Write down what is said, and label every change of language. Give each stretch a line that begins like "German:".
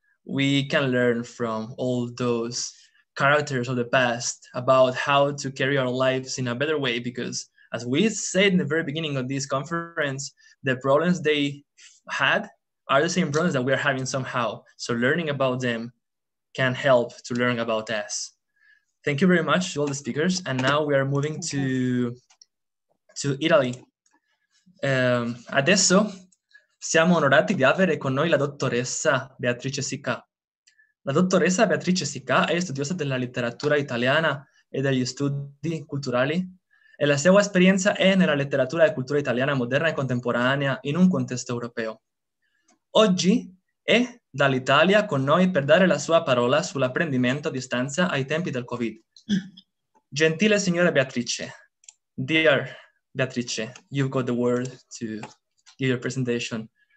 English: We can learn from all those characters of the past about how to carry our lives in a better way, because as we said in the very beginning of this conference, the problems they had are the same problems that we are having somehow. So learning about them can help to learn about us. Thank you very much to all the speakers. And now we are moving to Italy.
Italian: Adesso siamo onorati di avere con noi la dottoressa Beatrice Sica. La dottoressa Beatrice Sica è studiosa della letteratura italiana e degli studi culturali, e la sua esperienza è nella letteratura e cultura italiana moderna e contemporanea in un contesto europeo. Oggi è dall'Italia con noi per dare la sua parola sull'apprendimento a distanza ai tempi del Covid. Gentile signora Beatrice,
English: dear Beatrice, you've got the word to give your presentation.